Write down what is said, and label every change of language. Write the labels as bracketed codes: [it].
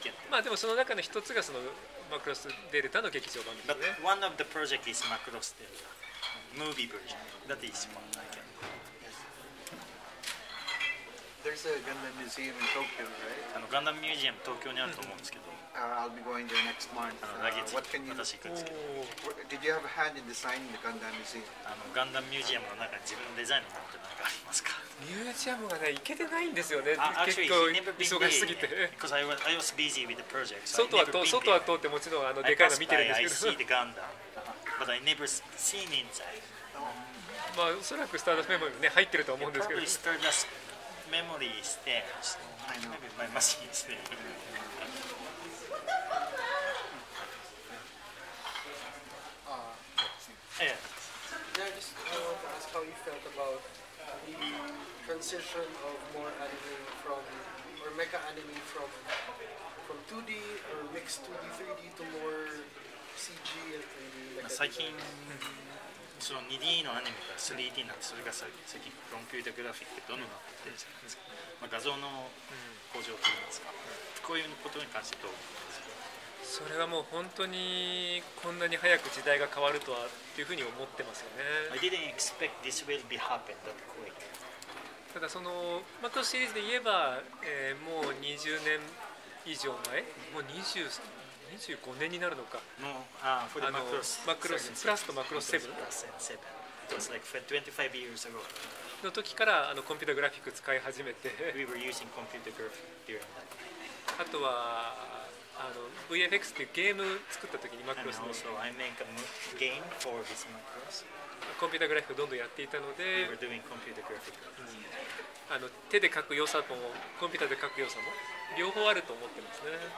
[ja] まあでもその中の一つがそのマクロスデルタの劇場版ですね。 [en] But one of the project is マクロスデルタ movie version. That is one I can. There's a Gundam Museum in Tokyo, right? [ja] ガンダムミュージアム東京にあると思うんですけど。 [en] I'll be going there next month. [ja] 来月。 [en] What can you? [ja] 私行くんですけど。 [en] Did you have a hand in designing the Gundam Museum? [ja] ガンダムミュージアムの中に自分のデザインのものって何かありますか？ミュージアムがね、行けてないんですよね。結構忙しすぎて。 [en] Because I was busy with the project. [ja] 外は通ってもちろんでかいの見てるんですけど。 [en] I passed by, I see the Gundam, but I never seen inside. [ja] まあおそらくスターダストメモリーね入ってると思うんですけど。 [en] Probably Stardust. Memory is there. I know. Maybe my machine is there. Just ask how you felt about the transition of more anime from or mecha anime from 2D or mixed 2D 3D to more CG and 3D. [ja] その 2D のアニメから 3D になって、それが最近コンピュータグラフィックってどんどんなってるじゃないですか、まあ、画像の向上といいますか、こういうことに関してどう思いますか？それはもう本当にこんなに早く時代が変わるとはっていうふうに思ってますよね。 [en] I didn't expect this will be happen that quick. [ja] ただそのマクロシリーズで言えば、もう20年以上前、もう25年になるのか。 [en] No, for the Macross, [ja] マクロスプラスとマクロス7。 [en] It was like 25 years ago. [ja] の時からコンピュータグラフィック使い始めて。 [en] We were using computer graphics during that [ja] time. あとはVFX っていうゲーム作った時にマクロスの。 [en] And also, I make a game for this Macross. [ja] コンピュータグラフィックをどんどんやっていたので。 [en] We were doing computer graphics.、 [ja] 手で描く良さもコンピューターで描く良さも。両方あると思ってますね。